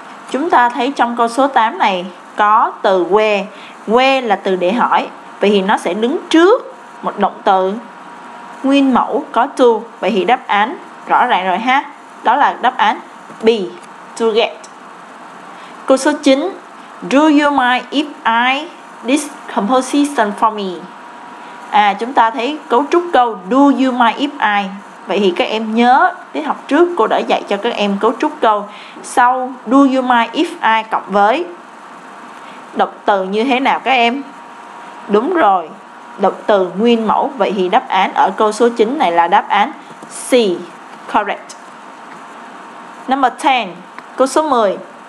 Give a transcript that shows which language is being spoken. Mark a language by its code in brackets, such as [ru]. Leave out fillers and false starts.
[vi] Chúng ta thấy trong câu số 8 này có từ where. Where là từ để hỏi, vậy thì nó sẽ đứng trước một động từ nguyên mẫu có to. Vậy thì đáp án rõ ràng rồi ha, đó là đáp án B, to get. Câu số 9. [en] Do you mind if I this composition for me? [vi] À, chúng ta thấy cấu trúc câu [en] do you mind if I. [vi] Vậy thì các em nhớ tiết học trước cô đã dạy cho các em cấu trúc câu sau [en] do you mind if I [vi] cộng với động từ như thế nào các em? Đúng rồi, động từ nguyên mẫu. Vậy thì đáp án ở câu số 9 này là đáp án C, correct. [en] Number 10. [vi] Câu số 10.